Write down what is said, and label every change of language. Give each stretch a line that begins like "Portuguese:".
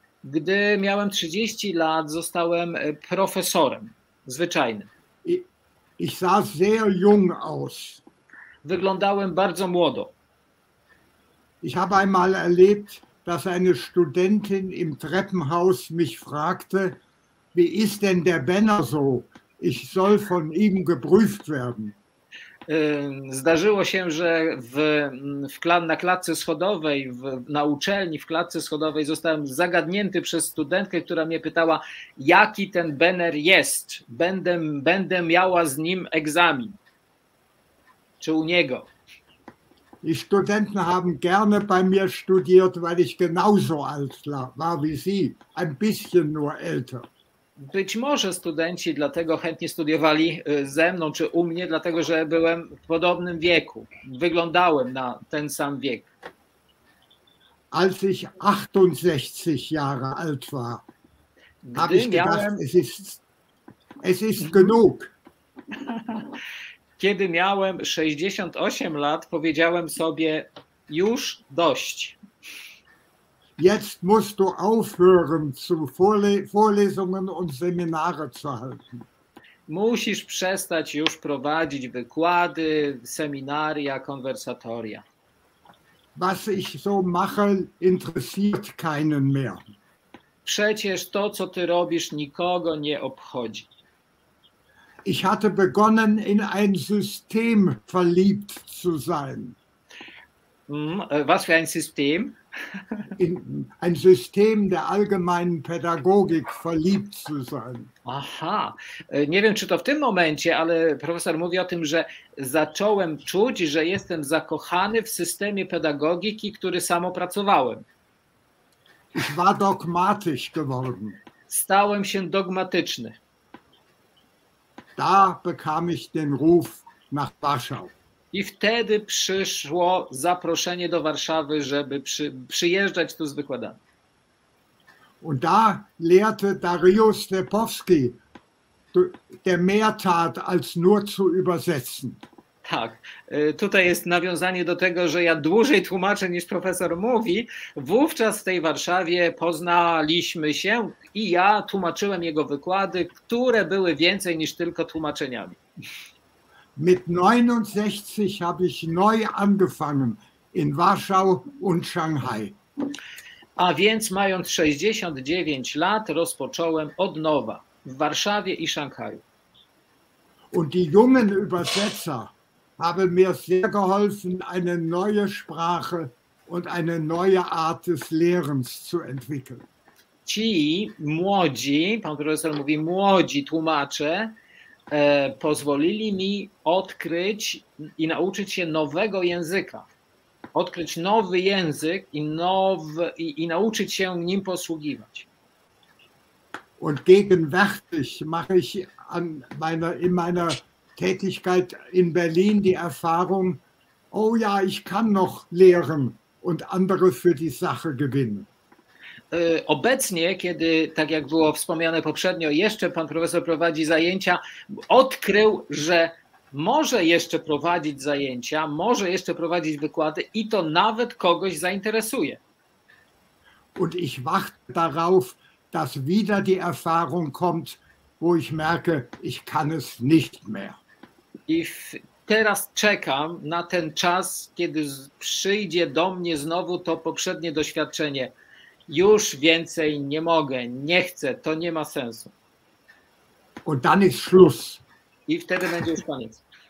Polish: Gdy miałem 30 lat, zostałem profesorem zwyczajnym.
German: Ich sah sehr jung aus.
Polish: Wyglądałem bardzo młodo.
German: Ich habe einmal erlebt, dass eine Studentin im Treppenhaus mich fragte, wie ist denn der Benner so? Ich soll von ihm geprüft werden.
Polish: Zdarzyło się, że na klatce schodowej, na uczelni, w klatce schodowej zostałem zagadnięty przez studentkę, która mnie pytała, jaki ten Benner jest. Będę miała z nim egzamin. Czy u niego?
German: Die Studenten haben gerne bei mir studiert, weil ich genauso alt war wie sie, ein bisschen nur älter.
Polish: Być może studenci dlatego chętnie studiowali ze mną czy u mnie, dlatego że byłem w podobnym wieku, wyglądałem na ten sam wiek.
German: Als ich 68 Jahre alt war, habe ich gedacht, es ist genug.
Polish: Kiedy miałem 68 lat, powiedziałem sobie, już dość.
German: Jetzt musst du aufhören zu Vorlesungen und Seminare zu halten.
Polish: Musisz przestać już prowadzić wykłady, seminaria, konwersatoria.
German: Was ich so mache, interessiert keinen mehr.
Polish: Przecież to, co ty robisz, nikogo nie obchodzi.
German: Ich hatte begonnen, in ein System verliebt zu sein. Was für ein System? In ein System der allgemeinen Pädagogik verliebt zu sein.
Polish: Aha, nie wiem, czy to w tym momencie, ale profesor mówi o tym, że zacząłem czuć, że jestem zakochany w systemie pedagogiki, który sam opracowałem.
German: Ich war dogmatisch geworden.
Polish: Stałem się dogmatyczny.
German: Da bekam ich den Ruf nach Warschau.
Polish: I wtedy przyszło zaproszenie do Warszawy, żeby przyjeżdżać tu z wykładami.
German: Und da lehrte Dariusz Stepowski, der mehr tat, als nur zu übersetzen.
Polish: Tak, tutaj jest nawiązanie do tego, że ja dłużej tłumaczę niż profesor mówi. Wówczas w tej Warszawie poznaliśmy się i ja tłumaczyłem jego wykłady, które były więcej niż tylko tłumaczeniami.
German: Mit 69 habe ich neu angefangen in Warschau und Shanghai.
Polish: A więc mając 69 lat rozpocząłem od nowa w Warszawie i Szanghaju.
German: Und die jungen Übersetzer haben mir sehr geholfen, eine neue Sprache und eine neue Art des Lehrens zu entwickeln.
Polish: Ci młodzi, pan profesor mówi młodzi tłumacze, pozwolili mi odkryć i nauczyć się nowego języka. Odkryć nowy język i nauczyć się nim posługiwać.
German: Und gegenwärtig mache ich in meiner Tätigkeit in Berlin die Erfahrung, oh ja, ich kann noch lehren und andere für die Sache gewinnen.
Polish: Obecnie, kiedy, tak jak było wspomniane poprzednio, jeszcze pan profesor prowadzi zajęcia, odkrył, że może jeszcze prowadzić zajęcia, może jeszcze prowadzić wykłady i to nawet kogoś zainteresuje.
German: Und ich warte darauf, dass wieder die Erfahrung kommt, wo ich merke, ich kann es nicht mehr.
Polish: I teraz czekam na ten czas, kiedy przyjdzie do mnie znowu to poprzednie doświadczenie. Już więcej nie mogę, nie chcę, to nie ma sensu.
German: Und dann ist Schluss.
Polish: I wtedy będzie już koniec.